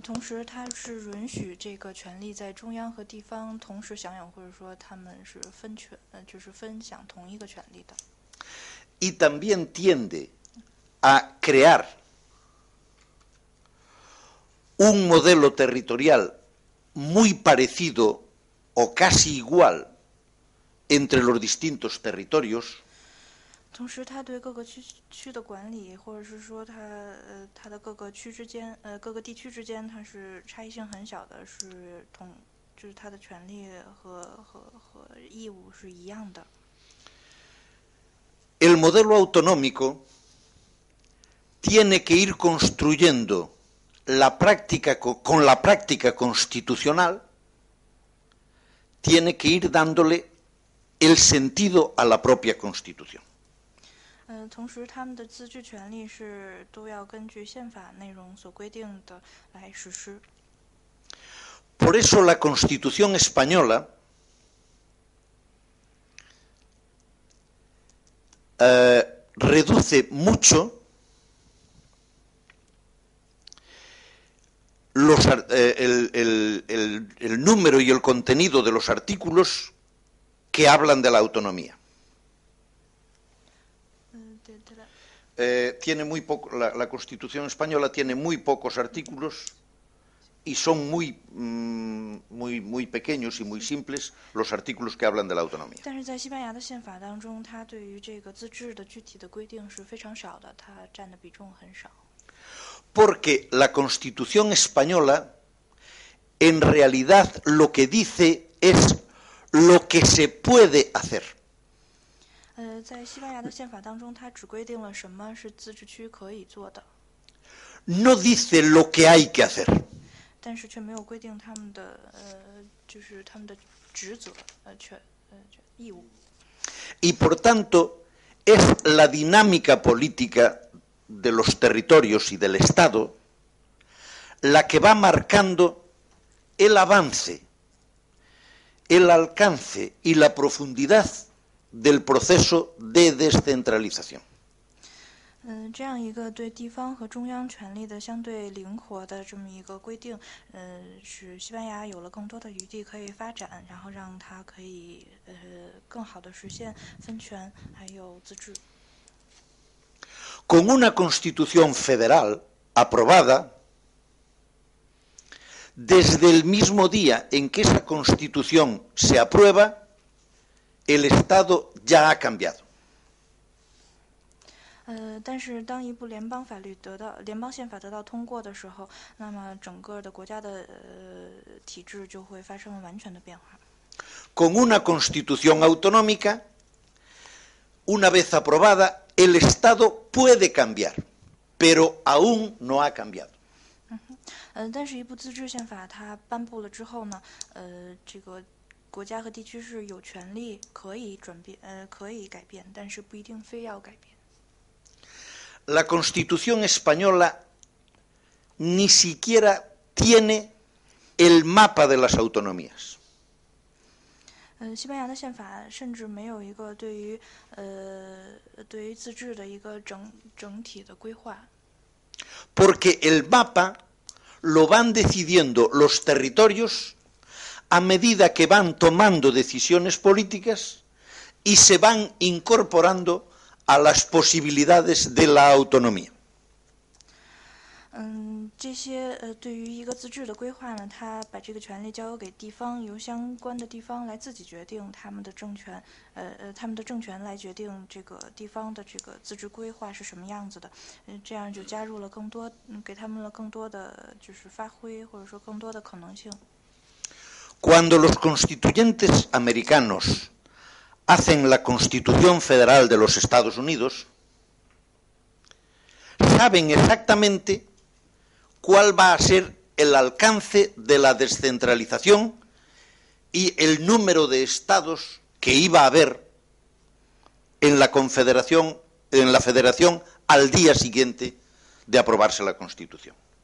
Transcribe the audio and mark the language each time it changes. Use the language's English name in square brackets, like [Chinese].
[Chinese] 同时它是允许这个权力在中央和地方同时享有，或者说他们是分权，就是分享同一个权力的。 [Spanish] Y también tiende a crear un modelo territorial muy parecido o casi igual entre los distintos territorios. [Chinese] 同时，他对各个区的管理，或者是说他的各个区之间，各个地区之间，它是差异性很小的，是同，就是他的权利和义务是一样的。 [Spanish] El modelo autonómico tiene que ir construyendo la práctica con la práctica constitucional, tiene que ir dándole el sentido a la propia constitución. [Chinese] 同时他们的自治权利是都要根据宪法内容所规定的来实施。 [Spanish] Por eso la Constitución española reduce mucho los, el número y el contenido de los artículos que hablan de la autonomía. Tiene muy poco, la Constitución española tiene muy pocos artículos y son muy, muy, muy pequeños y muy simples los artículos que hablan de la autonomía. [Chinese] 但是在西班牙的宪法当中，它对于这个自治的具体的规定是非常少的，它占的比重很少。 [Spanish] Porque la Constitución española en realidad lo que dice es lo que se puede hacer. [Chinese] 在西班牙的宪法当中，它只规定了什么是自治区可以做的。 [Spanish] No dice lo que hay que hacer. [Chinese] 但是却没有规定他们的就是他们的职责义务。 [Spanish] Y por tanto es la dinámica política de los territorios y del Estado la que va marcando el avance, el alcance y la profundidad. Del proceso de descentralización. [Chinese] 这样一个对地方和中央权力的相对灵活的这么一个规定，使西班牙有了更多的余地可以发展，然后让它可以更好的实现分权还有自治。 [Spanish] Con una constitución federal aprobada, desde el mismo día en que esa constitución se aprueba,El Estado ya ha cambiado. [Chinese] 但是当一部联邦法律得到联邦宪法得到通过的时候，那么整个的国家的体制就会发生完全的变化。 [Spanish] Con una constitución autonómica, una vez aprobada, el Estado puede cambiar, pero aún no ha cambiado. [Chinese] 但是一部自治宪法它颁布了之后呢，这个。国家和地区是有权利可以转变，可以改变，但是不一定非要改变。 [Spanish] La Constitución española ni siquiera tiene el mapa de las autonomías. [Chinese] 西班牙的宪法甚至没有一个对于对于自治的一个整体的规划。 [Spanish] Porque el mapa lo van decidiendo los territorios. A medida que van tomando decisiones políticas y se van incorporando a las posibilidades de la autonomía. [Chinese] 这些对于一个自治的规划呢，他把这个权力交给地方，由相关的地方来自己决定他们的政权，他们的政权来决定这个地方的这个自治规划是什么样子的，这样就加入了更多，给他们了更多的就是发挥或者说更多的可能性。 [Spanish] Cuando los constituyentes americanos hacen la Constitución Federal de los Estados Unidos, saben exactamente cuál va a ser el alcance de la descentralización y el número de estados que iba a haber en la Confederación, en la Federación al día siguiente de aprobarse la Constitución.